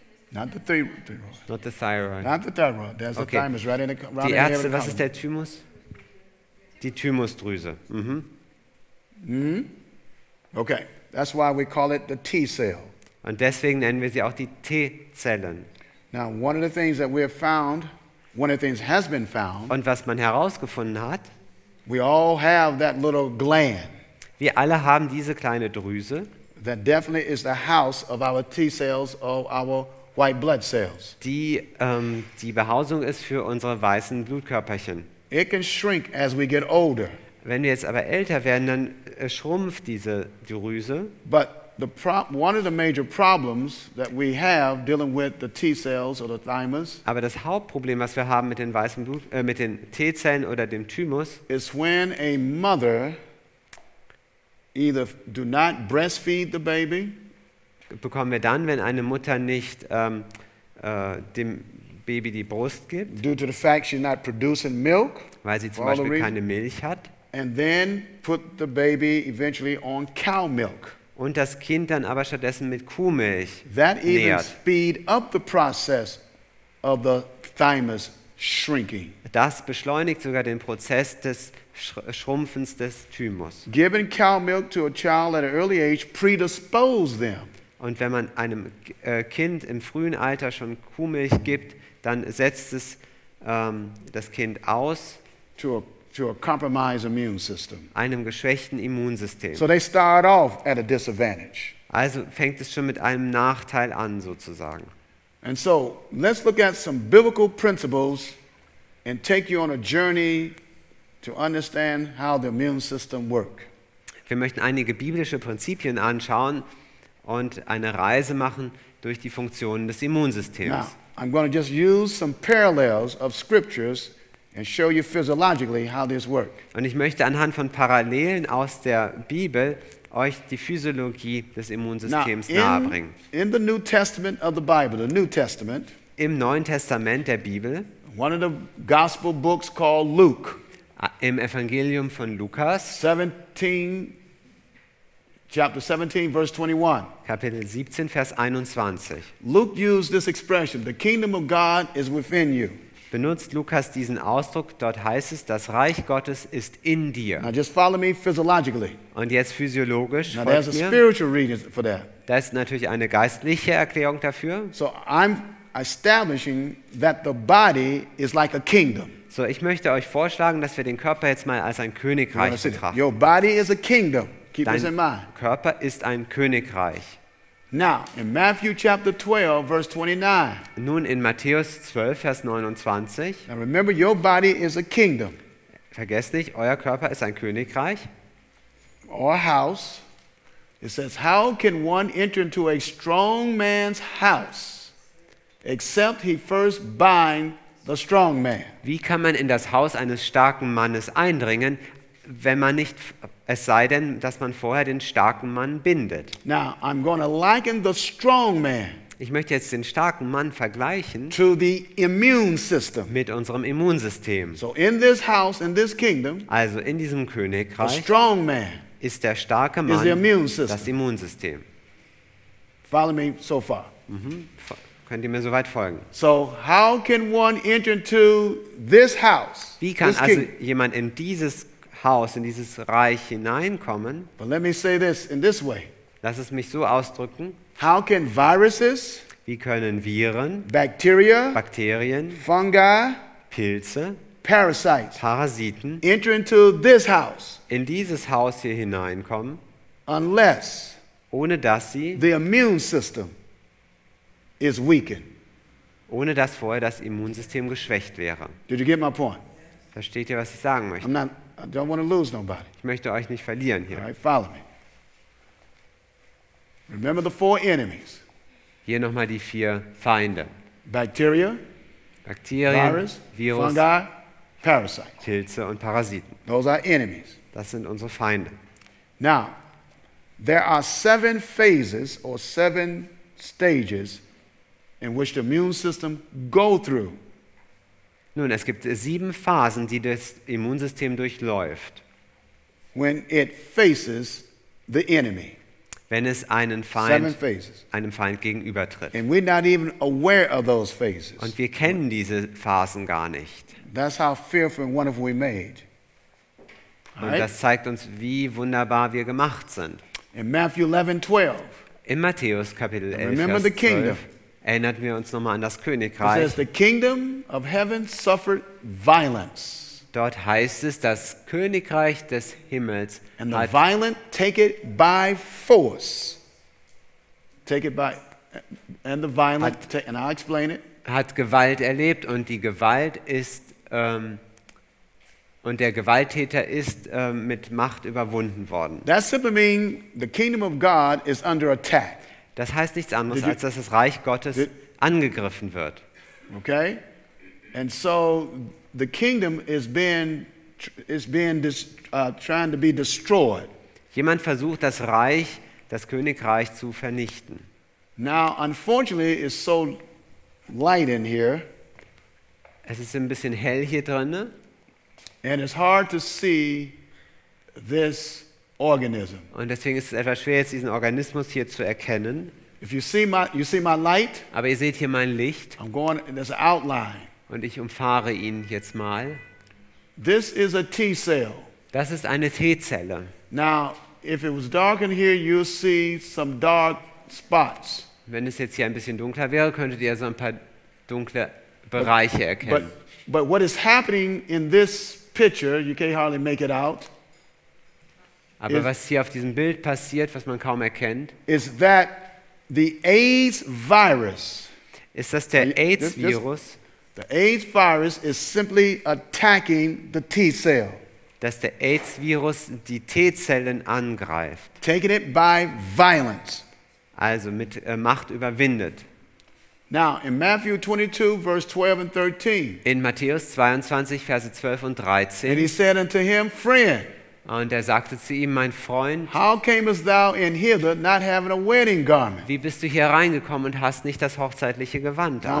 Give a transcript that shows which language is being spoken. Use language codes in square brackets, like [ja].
[en] Not the thyroid. Not the thyroid. Not the thyroid. There's okay. The thymus right in the [de] column. Die Ärzte, was ist der Thymus? Die Thymusdrüse. Mm-hmm. [en] Mm-hmm. Okay. That's why we call it the T-cell. [de] Und deswegen nennen wir sie auch die T-Zellen. [en] Now, one of the things that we have found, one of the things has been found. [de] Und was man herausgefunden hat. [en] We all have that little gland. [de] Wir alle haben diese kleine Drüse. [en] That definitely is the house of our T-cells, of our white blood cells. [de] Die die Behausung ist für unsere weißen Blutkörperchen. [en] It can shrink as we get older. [de] Wenn wir jetzt aber älter werden, dann schrumpft diese Drüse. [en] But one of the major problems that we have dealing with the T cells or the thymus. [de] Aber das Hauptproblem, was wir haben mit den weißen mit den T-Zellen oder dem Thymus, [en] is when a mother either do not breastfeed the baby. [de] Bekommen wir dann, wenn eine Mutter nicht dem Baby die Brust gibt, [en] due to the fact she's not producing milk, [de] weil sie zum Beispiel keine Milch hat, [en] and then put the baby eventually on cow milk. [de] Und das Kind dann aber stattdessen mit Kuhmilch [en] that [de] nährt. [en] Even speed up the process of the thymus shrinking. [de] Das beschleunigt sogar den Prozess des Schrumpfens des Thymus. [en] Giving cow milk to a child at an early age predisposes them. [de] Und wenn man einem Kind im frühen Alter schon Kuhmilch gibt, dann setzt es das Kind aus [en] to a compromised immune system. [de] Einem geschwächten Immunsystem. [en] So they start off at a disadvantage. [de] Also fängt es schon mit einem Nachteil an, sozusagen. [en] And so let's look at some biblical principles and take you on a journey to understand how the immune system works. [de] Wir möchten einige biblische Prinzipien anschauen und eine Reise machen durch die Funktionen des Immunsystems. [en] Now, I'm going to just use some parallels of scriptures and show you physiologically how this works. [de] Und ich möchte anhand von Parallelen aus der Bibel euch die Physiologie des Immunsystems nahebringen. [en] In the New Testament of the Bible, the New Testament, [de] im Neuen Testament der Bibel, [en] one of the gospel books called Luke, [de] im Evangelium von Lukas, [en] 17 Chapter 17, verse 21. [de] Kapitel 17, Vers 21. [en] Luke used this expression, the kingdom of God is within you. [de] Benutzt Lukas diesen Ausdruck, dort heißt es, das Reich Gottes ist in dir. [en] Now just follow me physiologically. [de] Und jetzt physiologisch folgt mir. [en] Now there's a spiritual reason for that. [de] Das ist natürlich eine geistliche Erklärung dafür. [en] So I'm establishing that the body is like a kingdom. [de] So ich möchte euch vorschlagen, dass wir den Körper jetzt mal als ein Königreich betrachten. [en] Your body is a kingdom. [de] Dein Körper ist ein Königreich. [en] Now, in Matthew chapter 12, verse 29. [de] Nun in Matthäus 12, Vers 29. [en] Now remember, your body is a kingdom. [de] Vergesst nicht, euer Körper ist ein Königreich. [en] Or a house. It says, how can one enter into a strong man's house, except he first bind the strong man? [de] Wie kann man in das Haus eines starken Mannes eindringen, wenn man nicht, es sei denn, dass man vorher den starken Mann bindet. [en] Now, I'm going to liken the strong man. [de] Ich möchte jetzt den starken Mann vergleichen [en] to the immune system. [de] Mit unserem Immunsystem. [en] So in this house, in this kingdom, [de] also in diesem Königreich, [en] the strong man [de] ist der starke Mann [en] is the immune system. [de] Das Immunsystem. [en] Follow me so far. [de] Mm-hmm. Könnt ihr mir soweit folgen? [en] So how can one enter into this house? [de] Wie kann also jemand in dieses Haus, in dieses Reich hineinkommen? [en] But let me say this in this way. [de] Lass es mich so ausdrücken. [en] How can viruses, [de] wie können Viren, [en] bacteria, [de] Bakterien, [en] fungi, [de] Pilze, [en] parasites, [de] Parasiten, [en] enter into this house, [de] in dieses Haus hier hineinkommen, [en] unless, [de] ohne dass sie [en] the immune system, is weakened. [de] Ohne dass vorher das Immunsystem geschwächt wäre. [en] Did you get my point? [de] Versteht ihr, was ich sagen möchte? [en] I don't want to lose nobody. [de] Ich möchte euch nicht verlieren hier. [en] All right, follow me. Remember the four enemies. [de] Hier nochmal die vier Feinde. [en] Bacteria, [de] Bakterien, [en] Virus, Fungi, Parasite. [de] Pilze und Parasiten. [en] Those are enemies. [de] Das sind unsere Feinde. [en] Now, there are seven phases or seven stages in which the immune system go through. [de] Nun, es gibt sieben Phasen, die das Immunsystem durchläuft. [en] When it faces the enemy. [de] Wenn es einem Feind gegenübertritt. [en] And we're not even aware of those phases. [de] Und wir kennen diese Phasen gar nicht. [en] That's how fearful and wonderful we made. [de] Und das zeigt uns, wie wunderbar wir gemacht sind. [en] In Matthew 11, 12. [de] In Matthäus Kapitel 11, [en] Remember the kingdom. [de] Vers 12. Erinnern wir uns nochmal an das Königreich. [en] It says the kingdom of heaven suffered violence. [de] Dort heißt es, das Königreich des Himmels [en] and the violent take it by force. Take it by and the violent [de] hat, [en] and I'll explain it. [de] Hat Gewalt erlebt und die Gewalt ist und der Gewalttäter ist mit Macht überwunden worden. [en] That simply means the kingdom of God is under attack. [de] Das heißt nichts anderes, als dass das Reich Gottes angegriffen wird. [en] Okay? And so the kingdom is trying to be destroyed. [de] Jemand versucht, das Reich, das Königreich zu vernichten. [en] Now, unfortunately, it's so light in here. [de] Es ist ein bisschen hell hier drin. [en] And it's hard to see this. [de] Und deswegen ist es etwas schwer, jetzt diesen Organismus hier zu erkennen. [en] If you see my, light, [de] aber ihr seht hier mein Licht. [en] I'm going, there's an outline. [de] Und ich umfahre ihn jetzt mal. [en] This is a T-cell. [de] Das ist eine T-Zelle. [en] Now, if it was dark in here, you'll see some dark spots. [de] Wenn es jetzt hier ein bisschen dunkler wäre, könntet ihr so ein paar dunkle Bereiche erkennen. [en] But what is happening in this picture, you can hardly make it out. [de] Aber was hier auf diesem Bild passiert, was man kaum erkennt, [en] is that the AIDS virus, [de] ist, dass der AIDS-Virus, [en] the AIDS virus is simply attacking the T-cell. [de] Dass der AIDS-Virus die T-Zellen angreift. [en] Taking it by violence. [de] Also mit Macht überwindet. [en] Now, in Matthew 22, verse 12 and 13, [de] in Matthäus 22, Verse 12 und 13, [en] and he said unto him, friend, [de] und er sagte zu ihm, mein Freund, [en] how camest thou in hither, not having a wedding garment? [de] Wie bist du hier reingekommen und hast nicht das hochzeitliche Gewand an?